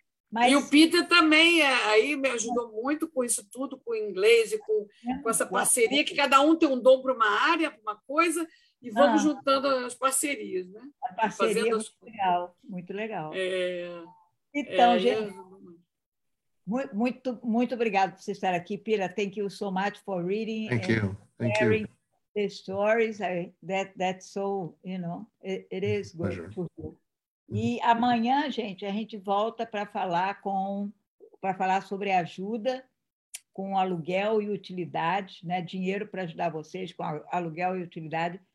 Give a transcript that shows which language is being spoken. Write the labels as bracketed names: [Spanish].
[Portuguese] Mas... E o Peter também aí me ajudou muito com isso tudo, com o inglês e com essa parceria, que cada um tem um dom para uma área, para uma coisa, e vamos juntando as parcerias, né? A parceria é muito legal, muito legal. É... Então, gente, muito, muito obrigado por você estar aqui, Pira. [English] Thank you so much for reading and sharing the stories. That's so, you know, it is good for you. [Portuguese] E amanhã, gente, a gente volta para falar sobre ajuda com aluguel e utilidade, né? Dinheiro para ajudar vocês com aluguel e utilidade.